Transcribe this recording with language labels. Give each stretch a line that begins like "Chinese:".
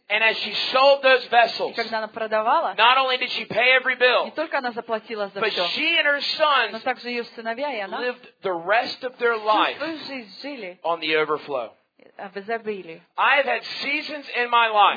English: And as she sold those vessels.
Russian: И когда она продавала.
English: Not only did she pay every bill.
Russian: Не только она заплатила за
English: but
Russian: все.
English: But she and her sons.
Russian: Но также ее сыновья и она.
English: Lived the rest of their life.
Russian: Всю свою жизнь жили.
English: On the overflow.
Russian: В изобилии.
English: I have had seasons in my life.